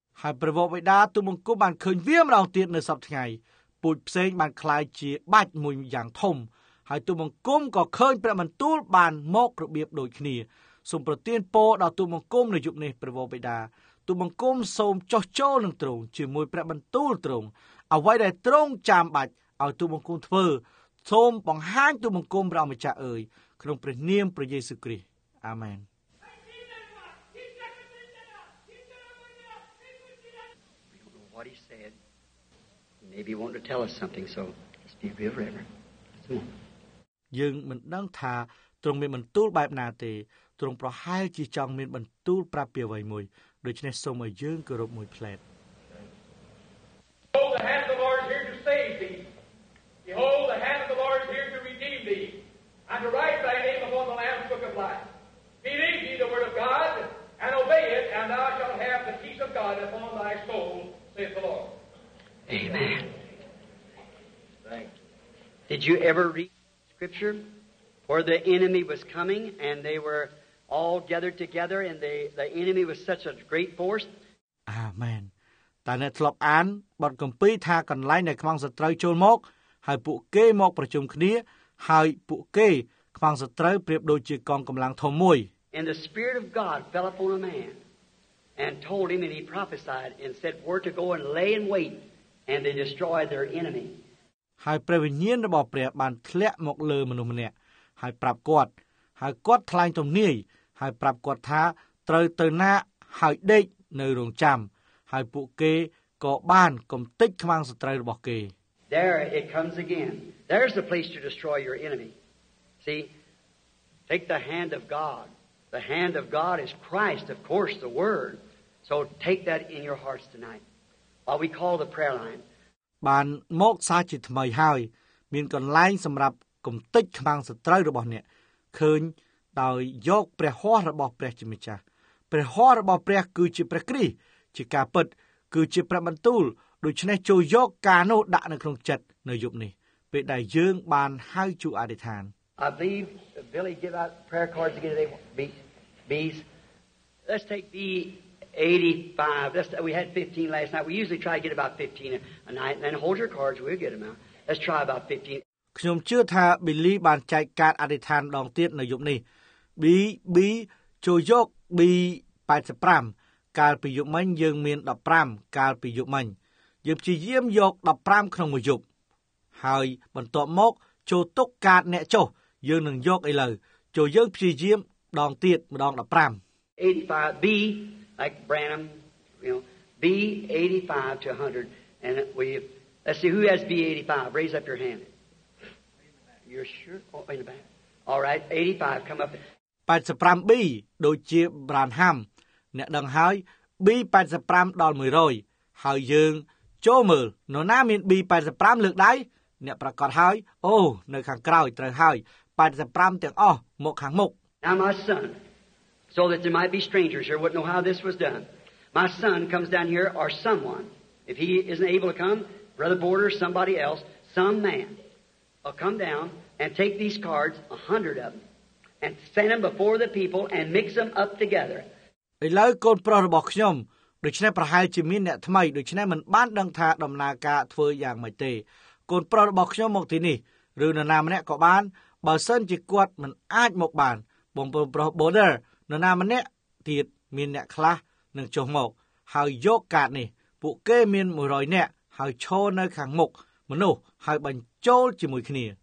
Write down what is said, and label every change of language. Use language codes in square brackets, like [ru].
[km] ហើយព្រះបិតាទូបង្គំបានឃើញវាម្ដងទៀតនៅសប្ដាហ៍ថ្ងៃពូជផ្សេងបាន [th] คล้าย [km] ជាបាច់មួយយ៉ាងធំហើយទូបង្គំក៏ឃើញព្រះបន្ទូលបានមករបៀបដូចគ្នាសូមប្រទានពរដល់ទូបង្គំនៅយុគនេះព្រះវរបិតាទូបង្គំសូមចុះចូលនឹងទ្រង់ជាមួយព្រះបន្ទូលទ្រង់អ្វីដែលទ្រង់ចាំបាច់ឲ្យទូបង្គំធ្វើ សូមបង្ហាញទូបង្គំព្រះម្ចាស់អើយក្នុងព្រះនាមព្រះយេស៊ូវគ្រីស្ទអាមែន [en] What he said, maybe he wanted to tell us something, so just be real forever. [km] យើងមិនដឹងថាទ្រង់មានបន្ទូលបែបណាទេទ្រង់ប្រហែលជាចង់មានបន្ទូលប្រាប់ពីអ្វីមួយដូច្នេះសូមឲ្យយើងគោរពមួយផ្លែត [en] Behold, the hand of the Lord is here to save thee. Behold, the hand of the Lord is here to redeem thee. And to write thy name upon the Lamb's book of life. Believe ye the word of God, and obey it, and thou shalt have the peace of God upon thy soul, saith the Lord. Amen. Thank you. Did you ever read scripture? For the enemy was coming, and they were all gathered together, and the enemy was such a great force. Amen. [km] តែអ្នកធ្លាប់អានបទកំពីថាកន្លែងនៅខ្មាំងសត្រូវចូលមកហើយពួកគេមកប្រជុំគ្នាហើយពួកគេខ្មាំងសត្រូវប្រៀបដូចជាកងកម្លាំងធំមួយ [en] And the spirit of God fell upon a man and told him and he prophesied and said we're to go and lay in wait and they destroy their enemy [km] ហើយព្រះវិញ្ញាណរបស់ព្រះបានធ្លាក់មកលើមនុស្សម្នាក់ហើយប្រាប់គាត់ហើយគាត់ថ្លែងទំនាយហើយប្រាប់គាត់ថាត្រូវទៅណាហើយដេកនៅរោងចាំហើយពួកគេក៏បានកំទេចខ្មាំងសត្រូវរបស់គេ [en] There it comes again. There's the place to destroy your enemy. See? Take the hand of God. The hand of God is Christ, of course, the word. So take that in your hearts tonight. While we call the prayer line. [km] បានមកសាជាថ្មីហើយមានកន្លែងសម្រាប់កំទេចខ្មាំងសត្រូវរបស់អ្នកឃើញដោយយកព្រះហស្ថរបស់ព្រះជាម្ចាស់ព្រះហស្ថរបស់ព្រះគឺជាព្រះគ្រីស្ទជាការពិតគឺជាព្រះបន្ទូលដូច្នេះចូលយកការនោះដាក់នៅក្នុងចិត្តនៅយប់នេះពេលដែលយើងបានហៅជួអធិដ្ឋាន [en] I believe Billy give out prayer cards again today. B's. Let's take B85. We had 15 last night. We usually try to get about 15 a night. And then hold your cards. We'll get them out. Let's try about 15. [km] ខ្ញុំជឿថា Billy បានចែកការអធិដ្ឋានដងទៀតនៅយប់នេះ B ចូលយក B85. កាលពីយប់មិញយើងមាន15កាលពីយប់មិញយើងព្យាយាមយក15ក្នុងមួយយប់ហើយបន្ទាប់មកចូលទុកកាតអ្នកចុះយើងនឹងយកឥឡូវចូលយើងព្យាយាមដងទៀតម្ដង15 [en] 85 B like Branham you know B 85 to 100 and we let's see who has B85 raise up your hand you're sure oh in the back all right 85 come up [km] 85B ដូចជា Branham អ្នកដឹងហើយ B85 ដល់100ហើយយើងចូលមើលនរណាមាន B85 លើកដៃអ្នកប្រកាសហើយអូនៅខាងក្រោយត្រូវហើយ85ទាំងអស់មកខាងមុខ [en] Now my son so that there might be strangers here wouldn't know how this was done my son comes down here or someone if he isn't able to come brother border somebody else some man will come down and take these cards 100 of them and stand them before the people and mix them up together [km] ឥឡូវកូនប្រុសរបស់ខ្ញុំដូច្នេះប្រហែលជាមានអ្នកថ្មីដូច្នេះមិនបានដឹងថាដំណើរការធ្វើយ៉ាងម៉េចទេកូនប្រុសរបស់ខ្ញុំមកទីនេះឬនរណាម្នាក់ក៏បានបើសិនជាគាត់មិនអាចមកបានបងប្រុស Border នរណាម្នាក់ទៀតមានអ្នកខ្លះនឹងចុះមកហើយយកកាតនេះពួកគេមាន100នាក់ហើយឈរនៅខាងមុខមនុស្សហើយបញ្ចូលជាមួយគ្នា